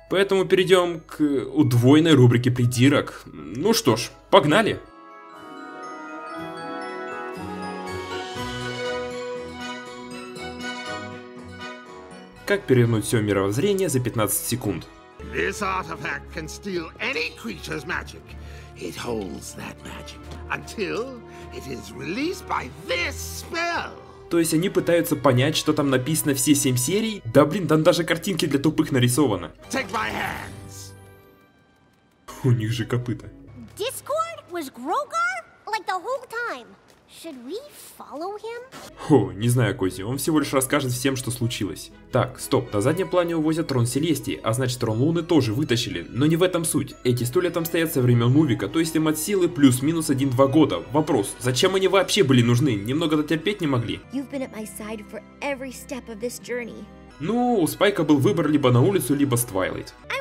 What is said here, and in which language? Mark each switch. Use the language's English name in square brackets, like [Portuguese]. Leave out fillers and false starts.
[Russian] Поэтому перейдем к удвоенной рубрике придирок. Ну что ж, погнали! Как перевернуть все мировоззрение за 15 секунд. [English] This artifact can steal any creature's magic. It holds that magic until it is released by this spell. [Russian] То есть они пытаются понять, что там написано все 7 серий? Да блин, там даже картинки для тупых нарисованы. [English] Take my hands. [Russian] У них же копыта. [English] Discord was Grogar like the whole time. Should we follow him? [Russian] О, не знаю, Кози, он всего лишь расскажет всем, что случилось. Так, стоп, на заднем плане увозят трон Селестии, а значит трон Луны тоже вытащили. Но не в этом суть. Эти стулья там стоят со времен Мувика, то есть им от силы плюс-минус 1-2 года. Вопрос, зачем они вообще были нужны? Немного дотерпеть не могли? [English] You've been at my side for every step of this journey. [Russian] Ну, у Спайка был выбор либо на улицу, либо с Твайлайт.